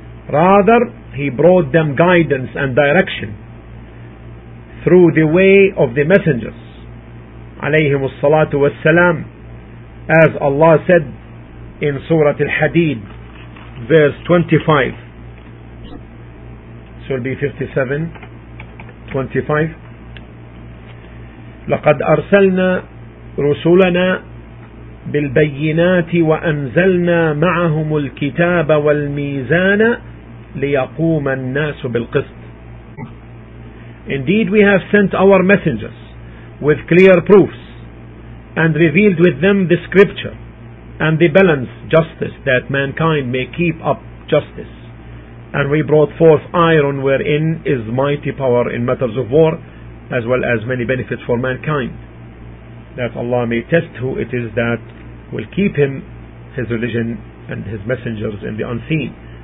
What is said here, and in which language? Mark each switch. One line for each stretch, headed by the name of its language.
English: Rather, He brought them guidance and direction through the way of the messengers alayhim as-salatu was-salam, as Allah said in Surah Al-Hadid, verse 25. So it'll be 57:25.
Arabic: لقد أرسلنا رسولنا بالبينات وأنزلنا معهم الكتاب والميزان ليقوم الناس بالقسط.
English: Indeed, we have sent our messengers with clear proofs and revealed with them the scripture and the balance, justice, that mankind may keep up justice. And we brought forth iron, wherein is mighty power in matters of war, as well as many benefits for mankind, that Allah may test who it is that will keep him, his religion, and his messengers in the unseen.